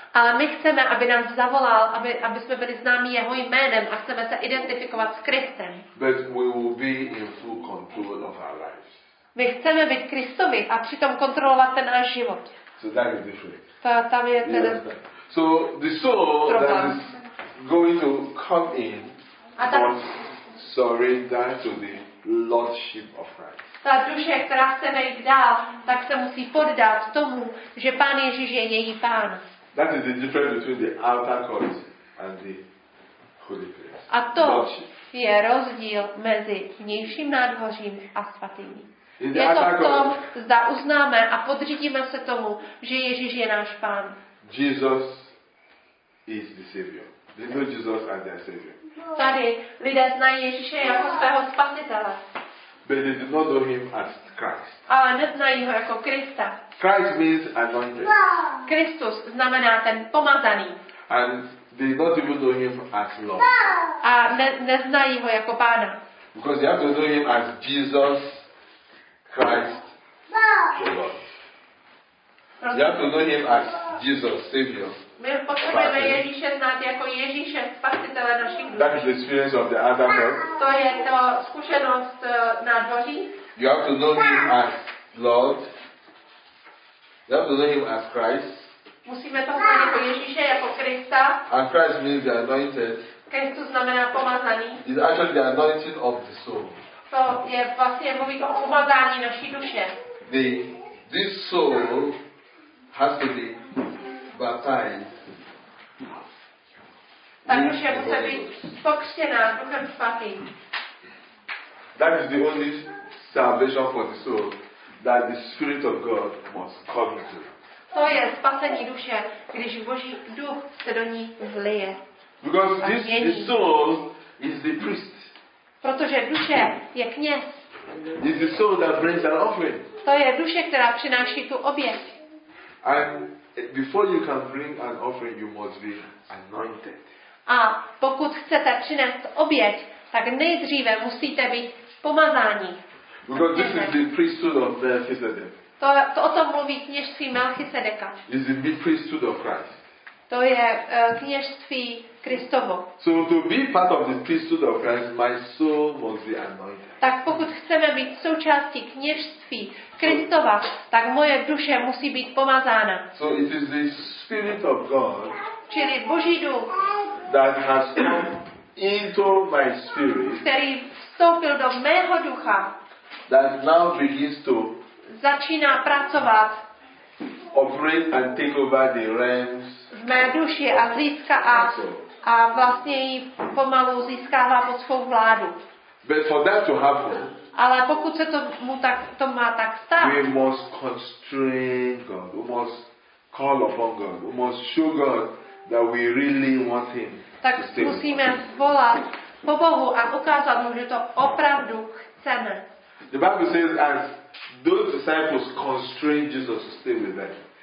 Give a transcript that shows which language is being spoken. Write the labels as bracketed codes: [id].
[cs] Ale my chceme, aby nás zavolal, aby jsme byli známi jeho jménem a chceme se identifikovat s Kristem. [en] But we will be in full control of our lives. [cs] My chceme být Kristovi a přitom kontrolovat ten náš život. [en] So that is different. [cs] Tam je ten. [en] So the soul that is going to come in was surrendered to the lordship of Christ. [cs] Ta duše, která chce nejít dál, tak se musí poddat tomu, že Pán Ježíš je její pán. [en] That is the difference between the outer court and the holy place. [cs] A to je rozdíl mezi vnějším nádvořím a svatyní. Je to v tom, zda uznáme a podřídíme se tomu, že Ježíš je náš pán. [en] Jesus is the savior. They know Jesus as their savior. [cs] Tady lidé znají Ježíše jako svého spasitele. [en] But they did not know him as Christ. [cs] Ale neznají ho jako Krista. [en] Christ means anointed. [cs] Kristus znamená ten pomazaný. [en] And they did not even know him as Lord. [cs] A neznají ho jako Pána. [en] Because they have to know him as Jesus Christ, the Lord. They have to know him as Jesus, Savior. [cs] My potřebujeme Ježíše znát jako Ježíše, spasitele našich duší. [en] That is the experience of the Adam. [cs] To je to zkušenost na dvoří. [en] You have to know him as Lord. You have to know him as Christ. [cs] Musíme to znát jako Ježíše, jako Krista. [en] And Christ means the anointed. [cs] Kristus znamená pomazaný. [en] It's actually the anointing of the soul. [cs] To je vlastně mluví o pomazání naší duše. [en] This soul has to be baptized. [cs] Ta duše musí být pokřtěná Duchem Svatým. [en] That is the only salvation for the soul that the Spirit of God must come to. [cs] To je spasení duše, když Boží duch se do ní vlije. [en] Because this the soul is the priest. [cs] Protože duše je kněz. [en] It's the soul that brings an offering. [cs] To je duše, která přináší tu oběť. [en] And before you can bring an offering, you must be anointed. [cs] A pokud chcete přinést oběť, tak nejdříve musíte být pomazáni. [en] Because this is the priesthood of Melchizedek. [cs] To o tom mluví kněžství Melchizedeka. [en] It's the priesthood of Christ. [cs] To je kněžství Kristovo. [en] So to be part of the priesthood of Christ, my soul must be anointed. [cs] Tak pokud chceme být součástí kněžství Kristova, tak moje duše musí být pomazána. [en] So it is the Spirit of God. [cs] Čili Boží duch. [en] That has come into my spirit. [cs] Který vstoupil do mého ducha. [en] That now begins to. [cs] Začíná pracovat. [en] Operate and take over the realms. [cs] V mé duši a získá a vlastně ji pomalu získává pod svou vládu. [en] But for that to happen, [cs] ale pokud se to má tak stát, [en] we must constrain God, we must call upon God, we must show God that we really want Him. [cs] Tak musíme volat po Bohu a ukázat mu, že to opravdu chceme. [en] The Bible says, as those disciples constrained Jesus to stay with them.